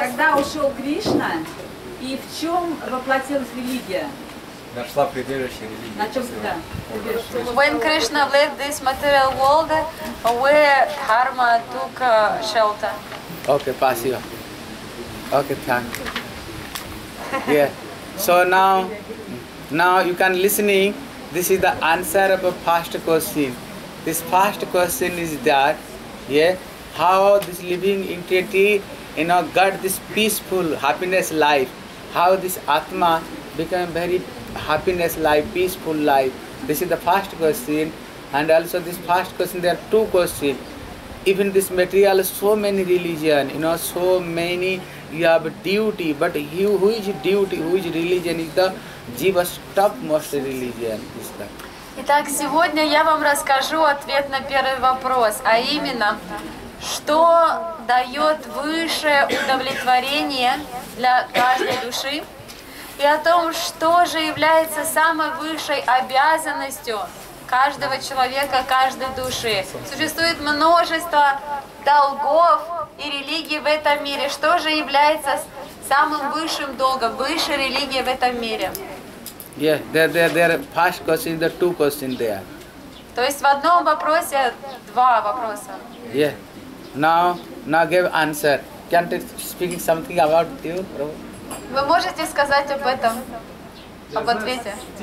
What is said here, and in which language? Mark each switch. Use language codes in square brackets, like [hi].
[ru] Когда ушел Кришна и в чем воплотилась религия? Нашла прибежище религии. На чем, [en] да. When Krishna left this material world, where karma took shelter? Okay, спасибо. Okay, thank you. Yeah. So now you can listening. This is the answer of a first question. This first question is that, how this living entity, got this peaceful happiness life? How this atma became very happiness life, peaceful life. This is the first question, and also this first question. There are two questions. Even this material, so many religion, so many. You have duty, but you, who is duty? Who is religion? Is the jiva's topmost religion? Is that? [ru] Итак, сегодня я вам расскажу ответ на первый вопрос, а именно, что дает высшее удовлетворение для каждой души? И о том, что же является самой высшей обязанностью каждого человека, каждой души. Существует множество долгов и религий в этом мире. Что же является самым высшим долгом, высшей религией в этом мире? [en] Yeah, there first question, the two question there. [ru] То есть в одном вопросе два вопроса. [en] Yeah. Now give answer. Can't speak something about you, bro? [ru] Вы можете сказать об этом, об ответе?